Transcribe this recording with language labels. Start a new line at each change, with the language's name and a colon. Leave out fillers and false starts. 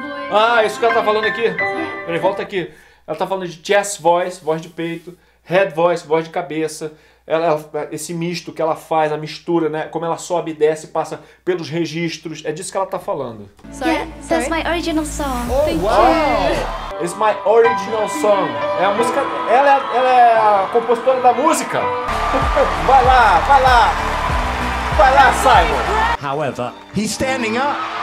Portuguese: Ah, isso que ela tá falando aqui. Peraí, volta aqui. Ela tá falando de chest voice, voz de peito, head voice, voz de cabeça. Ela, esse misto que ela faz, a mistura, né? Como ela sobe e desce, passa pelos registros. É disso que ela tá falando.
English: Sorry? That's my original song. Oh, wow. It's my original song.
Portuguese: É a música. Ela é a compositora da música. Vai lá, vai lá. Vai lá, Simon.
English: However, he's standing up.